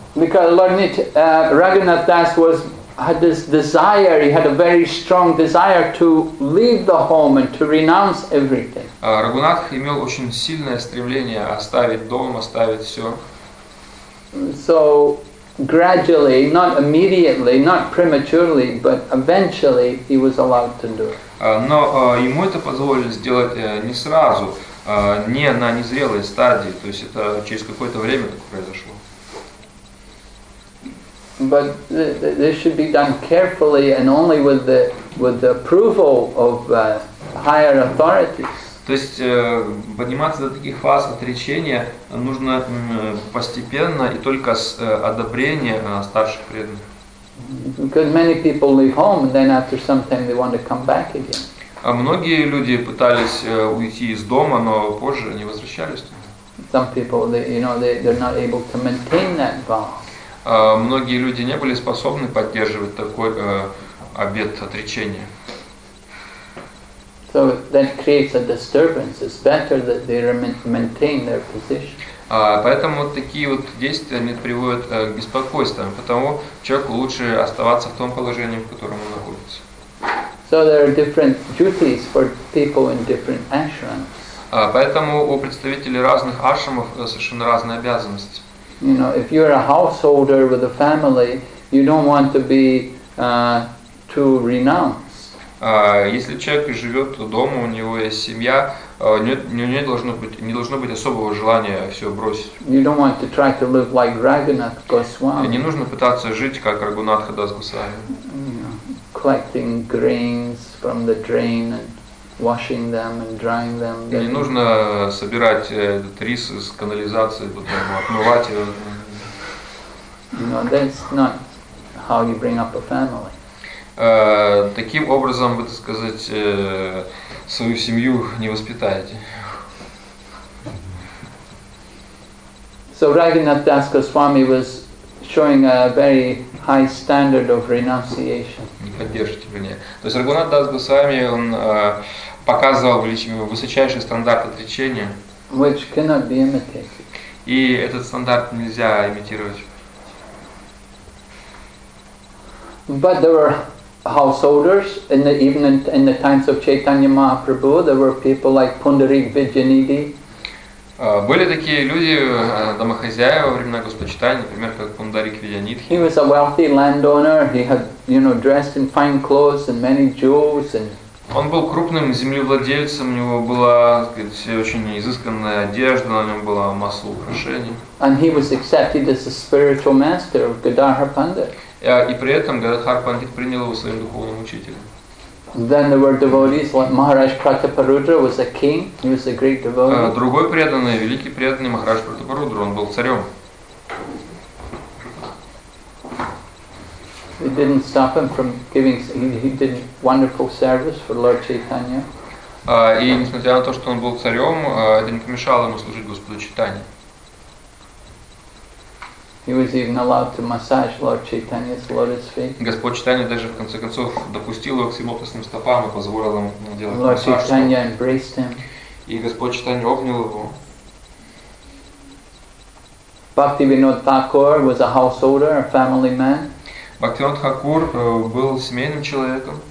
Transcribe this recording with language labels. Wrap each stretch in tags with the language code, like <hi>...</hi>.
<en>Because Raghunath Das had this desire, he had a very strong desire to leave the home and to renounce everything.</en> <ru>Рагунатх имел очень сильное стремление оставить дом, оставить все.</ru> <en>So gradually, not immediately, not prematurely, but eventually he was allowed to do it.</en> <ru>Но ему это позволили сделать не сразу, не на незрелой стадии, то есть это через какое-то время так произошло.</ru> <en>But this should be done carefully and only with the approval of higher authorities.</en> <ru>То есть подниматься до таких фаз отречения нужно постепенно и только с одобрения старших преданных.</ru> <en>Because many people leave home and then after some time they want to come back again.</en> <ru>А многие люди пытались уйти из дома, но позже не возвращались туда.</ru> <en>Some people they're not able to maintain that vow.</en> <ru>Многие люди не были способны поддерживать такой обет отречения.</ru> <en>So that creates a disturbance. It's better that they maintain their position.</en> <ru>Поэтому такие вот действия они приводят к беспокойствам. Потому человеку лучше оставаться в том положении, в котором он находится.</ru> <en>So So there are different duties for people in different ashrams.</en> <ru>Поэтому у представителей разных ашрамов совершенно разные обязанности.</ru> <en>You know, if you are a householder with a family, you don't want to be to renounce.</en> <ru>Если человек живет дома, у него есть семья, не должно быть особого желания все бросить.</ru> <en>You don't want to try to live like Raghunath Goswami.</en> <ru>Не нужно пытаться жить как Рагунатха Дас Госвами.</ru> <en>Collecting grains from the drain and washing them and drying them.</en> <ru>Не нужно собирать рис из канализации, потом отмывать его.</ru> <en>No, that's not how you bring up a family.</en> <ru>Таким образом, бы так сказать, свою семью не воспитаете.</ru> <en>So Raghunath Das Goswami was showing a very high standard of renunciation.</en> <ru>Не поддержите меня. То есть Рагунат Дас Госвами, он показывал высочайший стандарт отречения.</ru> <en>Which cannot be imitated.</en> <ru>И этот стандарт нельзя имитировать.</ru> <en>But there were householders in the evening in the times of Chaitanya Mahaprabhu. There were people like Pundarik Vidyanidhi.</en> <ru>Были такие люди, домохозяева во времена Господа Чайтаньи, например, как Пундарик Видьянидхи.</ru> <en>He was a wealthy landowner. He had, you know, dressed in fine clothes and many jewels and.</en> <ru>Он был крупным землевладельцем. У него была, так сказать, все очень изысканная одежда. На нем была масса украшений.</ru> <en>And he was accepted as the spiritual master of Gadadhar Pandit.</en> <ru>И при этом Гададхар Пандит принял его своим духовным учителем.</ru> <en>Then there were devotees like Maharaj Prataparudra was a king. He was a great devotee.</en> <ru>Другой преданный, великий преданный Махарадж Пратапарудра, он был царем.</ru> <en>It didn't stop him from giving. He did wonderful service for Lord Chaitanya.</en> <ru>И несмотря на то, что он был царем, это не помешало ему служить Господу Чайтанье.</ru> <en>He was even allowed to massage Lord Chaitanya's lotus feet.</en> <ru>Господь Чайтанья даже в конце концов допустил его к своим лотосным стопам и позволил ему делать</ru> <en>Lord</en> <ru>массаж.</ru> <en>Lord Chaitanya embraced him.</en> <ru>И Господь Чайтанья обнял его.</ru> <en>Bhaktivinoda Thakur was a householder, a family man.</en> <ru>Бхактивинод Тхакур был семейным человеком.</ru>